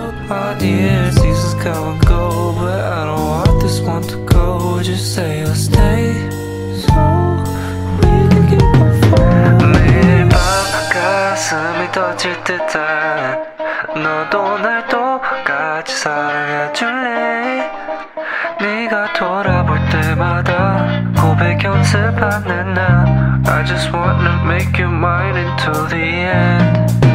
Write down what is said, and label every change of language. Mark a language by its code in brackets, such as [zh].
[en] My dear, seasons come and go, but I don't want this one to go. Just say you'll stay, so we can keep on falling. [ko] 매일 밤 가슴이 터질 듯한 너도 날 똑같이 사랑해줄래? 네가 돌아볼 때마다 고백 연습하는 나. [en] I just wanna make you mine until the end.